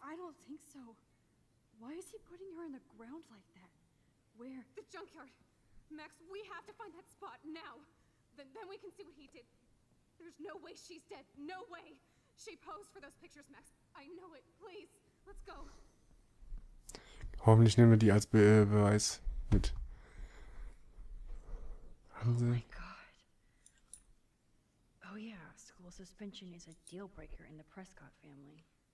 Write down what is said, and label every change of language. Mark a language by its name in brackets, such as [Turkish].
[English] I don't think so. Why is he putting her in the ground like that? Where? The junkyard. Max, we have to find that spot now. Then we can see what he did. There's no way she's dead. No way. She posed for those pictures, Max. I know it. Please, let's go. [German] Hoffentlich nehmen wir die als Beweis mit. [English] Oh my god. Oh yeah, school suspension is a deal breaker in the Prescott family.